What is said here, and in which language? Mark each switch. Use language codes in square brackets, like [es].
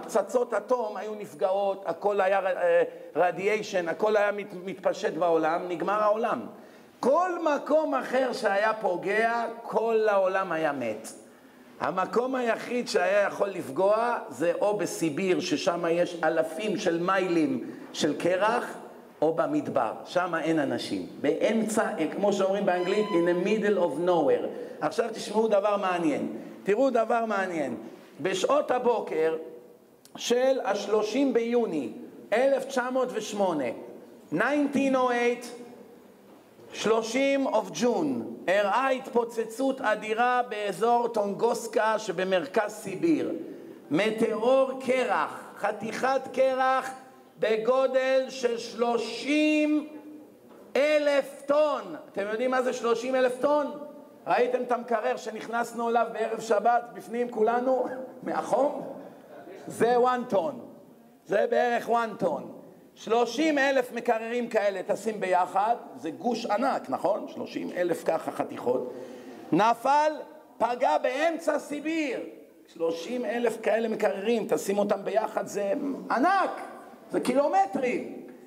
[he] פצצות אטום היו נפגעות, הכל היה רדיאשן, הכל היה מתפשט בעולם. נגמר העולם. כל מקום אחר שהיה פוגע, כל העולם היה מת. המקום היחיד שהיה יכול לפגוע זה או בסיביר, ששם יש אלפים של מיילים של קרח, או במדבר. שם אין אנשים. באמצע, כמו שאומרים באנגלית, [en] in the middle of nowhere. [he] עכשיו תשמעו דבר מעניין. תראו דבר מעניין. בשעות הבוקר של ה-30 ביוני 1908, 1908, [en] 30 of June, [he] הראה התפוצצות אדירה באזור טונגוסקה שבמרכז סיביר. מטאור קרח, חתיכת קרח בגודל של 30 אלף טון. אתם יודעים מה זה 30 אלף טון? ראיתם את המקרר שנכנסנו אליו בערב שבת בפנים כולנו מהחום? זה [en] one ton, [he] זה בערך one ton. 30 אלף מקררים כאלה טסים ביחד, זה גוש ענק, נכון? 30 אלף ככה חתיכות. נפל, פגע באמצע סיביר. 30 אלף כאלה מקררים, טסים אותם ביחד, זה ענק, זה קילומטרים.